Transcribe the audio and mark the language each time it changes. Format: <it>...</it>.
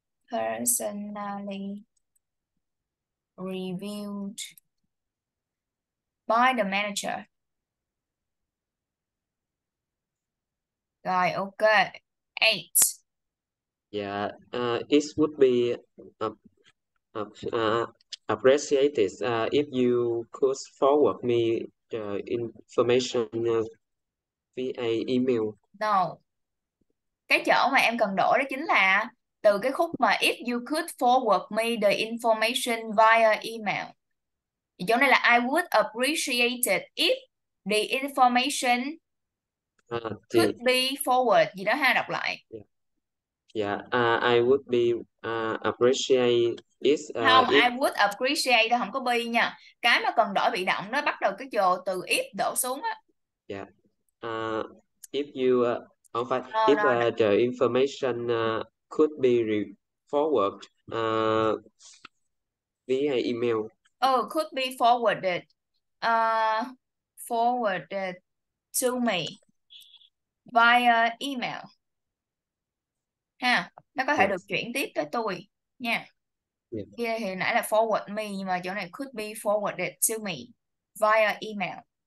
<en>Personally reviewed by the manager.</en> <vi>Rồi,</vi> <en>ok. Eight. It would be appreciated if you could forward me the information via email. No.</en> <vi>Cái chỗ mà em cần đổi đó chính là từ cái khúc mà</vi> <en>if you could forward me the information via email.</en> <vi>Thì chỗ này là</vi> <en>I would appreciate it if the information could be forward</en> <vi>gì đó ha, đọc lại.</vi> <en>I would be appreciate</en> <vi>Không,</vi> <en>it I would appreciate</en> <vi>thôi, không có be nha. Cái mà cần đổi bị động nó bắt đầu cái chỗ từ if đổ xuống á.</vi> <en>if you</en> <vi>không phải</vi> <en>No, if no, no. the information could be forward via email. Oh, could be forwarded to me via email.</en> <vi>Ha, nó có thể được chuyển tiếp tới tôi nha. Kia thì nãy là</vi> <en>forward me</en> <vi>nhưng mà chỗ này</vi> <en>could be forwarded to me via email.</en>